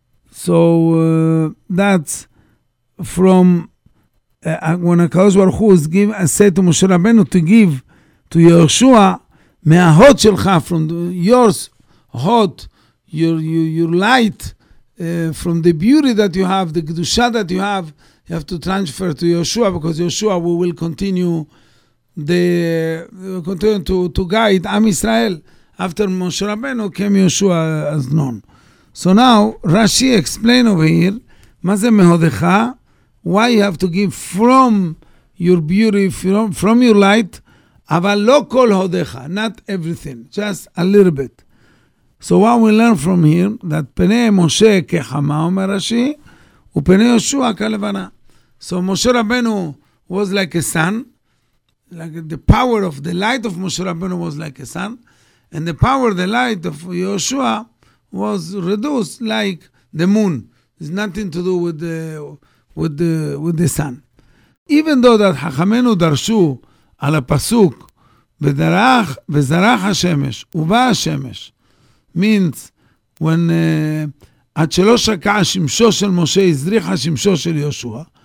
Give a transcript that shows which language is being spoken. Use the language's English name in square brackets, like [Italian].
[English] So that's from when HaKadosh Baruch Hu said to Moshe Rabbeinu to give to Yehoshua [Hebrew] mehahot shelcha, [English] from yours hot, your light, from the beauty that you have, the kedusha that you have, you have to transfer to Yeshua, because Yeshua will continue to guide Am Israel. after Moshe Rabbeinu came Yoshua as Nun. So now, Rashi explain over here, [Hebrew] מה זה מהודך? [English] Why you have to give from your beauty, from your light, [Hebrew] אבל לא כל הודך, [English] not everything, just a little bit. So what we learn from here, that [Hebrew] פני משה כחמה, אומר רשי, ופני יהושע כלבנה. [English] So משה רבנו was like a sun, like the power of the light of משה רבנו was like a sun, and the power of the light of יהושע was reduced like the moon. It's nothing to do with the sun. Even though that [Hebrew] חכמנו דרשו על הפסוק, וזרח השמש, ובא השמש, [English] means when [Hebrew] עד שלא שקע שמשו של משה, הזריח השמשו של יהושע.